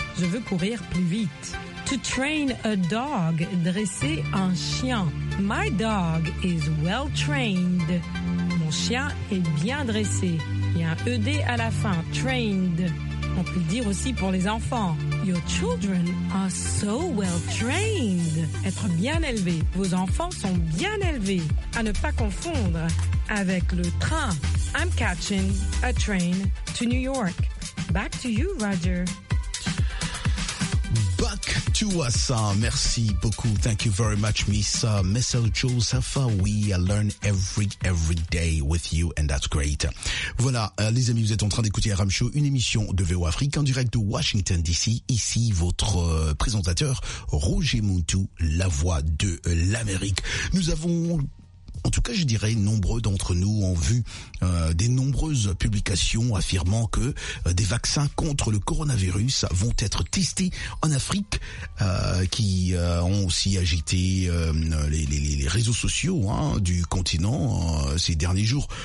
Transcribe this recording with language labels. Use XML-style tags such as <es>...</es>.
<fr>Je veux courir plus vite.</fr> <en>To train a dog.</en> <fr>Dresser un chien.</fr> <en>My dog is well trained.</en> <fr>Mon chien est bien dressé. Il y a un ED à la fin. Trained. On peut le dire aussi pour les enfants.</fr> <en>Your children are so well trained.</en> <fr>Être bien élevé. Vos enfants sont bien élevés. À ne pas confondre avec le train.</fr> <en>I'm catching a train to New York. Back to you, Roger. Back to us.</en> <fr>Merci beaucoup.</fr> <en>Thank you very much, Miss Michelle Joseph. We learn every day with you and that's great.</en> <fr>Voilà, les amis, vous êtes en train d'écouter RM Show, une émission de VO Afrique en direct de Washington DC. Ici, votre présentateur, Roger Muntu, la voix de l'Amérique. Nous avons, en tout cas, je dirais, nombreux d'entre nous ont vu des nombreuses publications affirmant que des vaccins contre le coronavirus vont être testés en Afrique, qui ont aussi agité les réseaux sociaux du continent ces derniers jours.</fr>